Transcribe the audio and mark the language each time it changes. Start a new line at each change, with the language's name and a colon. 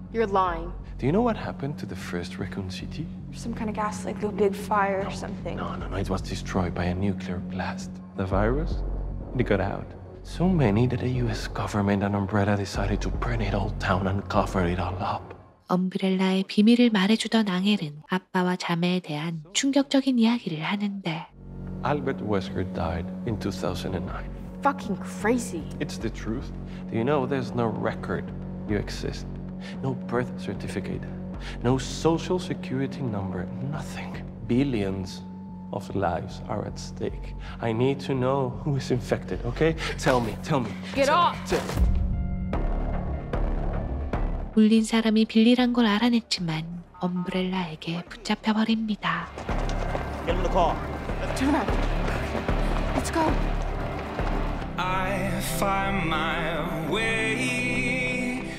English: You're lying. Do you know what happened to the first Raccoon City? Some kind of gas, like a big fire or something. No, it was destroyed by a nuclear blast. The virus, it got out. So many that the US government and Umbrella decided to burn it all down and cover it all up.
Korean: 엄브렐라의 비밀을 말해주던 앙헬은 아빠와 자매에 대한 충격적인 이야기를 하는데.
English: Albert Wesker died in 2009. Fucking crazy. It's the truth. Do you know there's no record you exist? No birth certificate, no social security number, nothing. Billions of lives are at stake. I need to know who is infected, okay? Tell me. Get off!
Korean: 울린 사람이 빌리란 걸 알아냈지만 엄브렐라에게 붙잡혀버립니다.
English: Get him in the car. Let's go. I find my way.